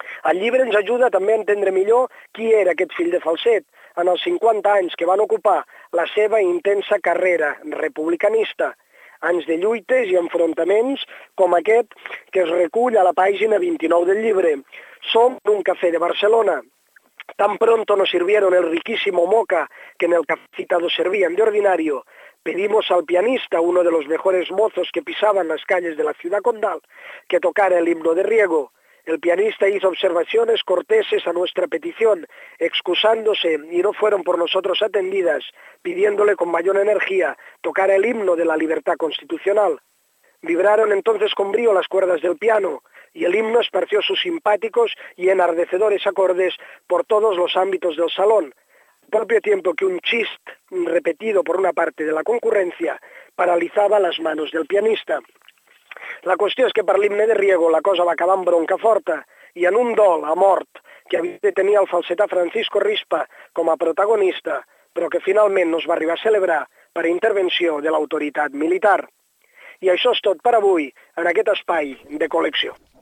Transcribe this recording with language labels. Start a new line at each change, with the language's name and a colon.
Catalan: El llibre ens ajuda també a entendre millor qui era aquest fill de Falset en els 50 anys que van ocupar la seva intensa carrera republicanista. Anys de lluites i enfrontaments com aquest que es recull a la pàgina 29 del llibre. Som en un cafè de Barcelona.
Spanish: Tan pronto nos sirvieron el riquísimo moca que en el café citado servían de ordinario, pedimos al pianista, uno de los mejores mozos que pisaban las calles de la ciudad condal, que tocara el himno de riego. El pianista hizo observaciones corteses a nuestra petición, excusándose, y no fueron por nosotros atendidas, pidiéndole con mayor energía tocar el himno de la libertad constitucional. Vibraron entonces con brío las cuerdas del piano, y el himno esparció sus simpáticos y enardecedores acordes por todos los ámbitos del salón, al propio tiempo que un chist repetido por una parte de la concurrencia paralizaba las manos del pianista.
Catalan: La qüestió és que per l'himne de riego la cosa va acabar en bronca forta i en un dol a mort que havia de tenir el falsetà Francisco Rispa com a protagonista, però que finalment no es va arribar a celebrar per intervenció de l'autoritat militar. I això és tot per avui en aquest espai de col·lecció.